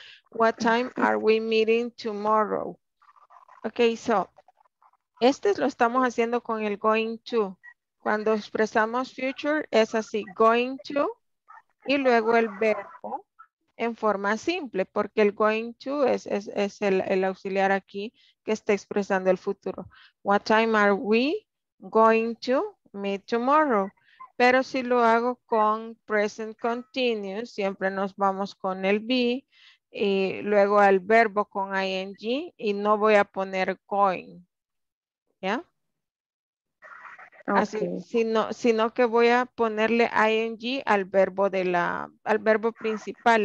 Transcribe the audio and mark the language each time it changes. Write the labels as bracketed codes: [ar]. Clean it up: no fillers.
[en] What time are we meeting tomorrow? Okay, so [es] este lo estamos haciendo con el going to. Cuando expresamos future es así, going to, y luego el verbo en forma simple, porque el going to es el auxiliar aquí que está expresando el futuro. [en] What time are we going to meet tomorrow? [es] Pero si lo hago con present continuous, siempre nos vamos con el be y luego el verbo con ing, y no voy a poner going. ¿Ya? Okay. Así, sino que voy a ponerle ing al verbo al verbo principal.